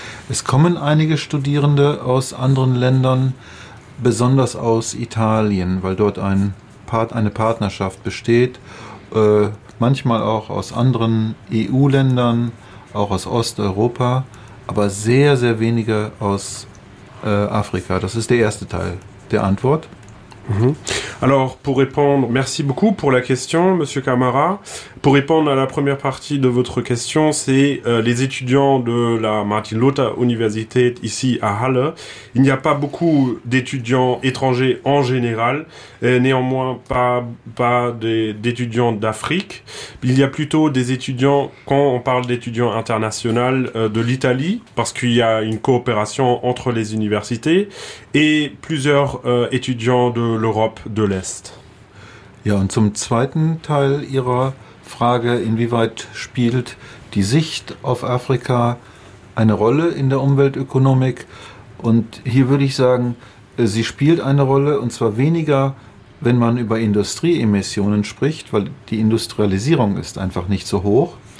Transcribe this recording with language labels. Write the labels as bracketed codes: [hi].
[de] Es kommen einige Studierende aus anderen Ländern, besonders aus Italien, weil dort eine Partnerschaft besteht. Manchmal auch aus anderen EU-Ländern, auch aus Osteuropa, aber sehr, sehr wenige aus Afrika. Das ist der erste Teil der Antwort. [fr] Alors, pour répondre, merci beaucoup pour la question, Monsieur Camara. Pour répondre à la première partie de votre question, c'est les étudiants de la Martin Luther Universität ici à Halle. Il n'y a pas beaucoup d'étudiants étrangers en général, néanmoins pas d'étudiants d'Afrique. Il y a plutôt des étudiants, quand on parle d'étudiants internationaux, de l'Italie, parce qu'il y a une coopération entre les universités, et plusieurs étudiants de l'Europe de l'Est. [de] Ja, und zum zweiten Teil Ihrer Frage, inwieweit spielt die Sicht auf Afrika eine Rolle in der Umweltökonomik? Und hier würde ich sagen, sie spielt eine Rolle, und zwar weniger, wenn man über Industrieemissionen spricht, weil die Industrialisierung ist einfach nicht so hoch.